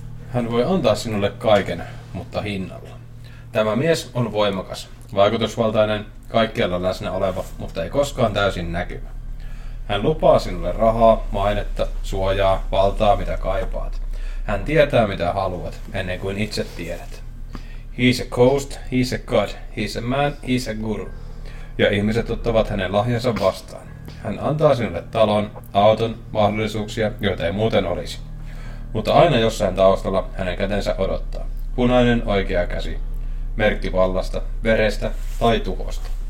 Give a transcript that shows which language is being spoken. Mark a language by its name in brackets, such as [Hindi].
[Finnish] Hän voi antaa sinulle kaiken, mutta hinnalla. Tämä mies on voimakas, vaikutusvaltainen, kaikkialla läsnä oleva, mutta ei koskaan täysin näkyvä. Hän lupaa sinulle rahaa, mainetta, suojaa, valtaa, mitä kaipaat. Hän tietää, mitä haluat, ennen kuin itse tiedät. [English] He's a ghost, he's a god, he's a man, he's a guru. [Finnish] Ja ihmiset ottavat hänen lahjansa vastaan. Hän antaa sinulle talon, auton, mahdollisuuksia, joita ei muuten olisi. Mutta aina jossain taustalla hänen kätensä odottaa. Punainen oikea käsi. Merkki vallasta, verestä tai tuhosta.